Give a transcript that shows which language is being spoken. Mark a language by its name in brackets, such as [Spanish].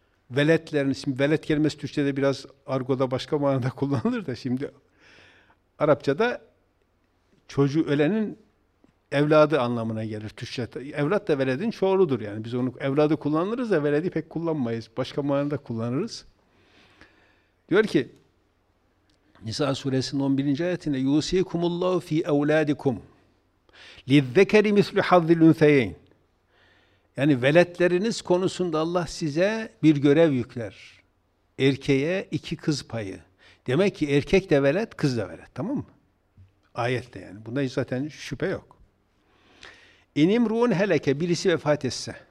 [Turkish] Veletlerin, şimdi veled kelimesi Türkçe'de biraz argoda başka manada kullanılır da şimdi Arapça'da çocuğu ölenin evladı anlamına gelir Türkçe'de. Evlat da veledin çoğuludur yani. Biz onu evladı kullanırız da veledi pek kullanmayız. Başka manada kullanırız. Diyor ki Nisa suresinin 11. ayetinde [Arabic] يُوسِيكُمُ اللّٰهُ ف۪ي اَوْلَادِكُمْ لِذَّكَرِ مِثْلُ حَظِّ الْاُنْثَيَيْنِ. [Turkish] Yani veletleriniz konusunda Allah size bir görev yükler. Erkeğe iki kız payı. Demek ki erkek de velet, kız da velet. Tamam mı? Ayette yani. Bunda zaten şüphe yok. [Arabic] İnimru'un heleke, [Turkish] birisi vefat etse.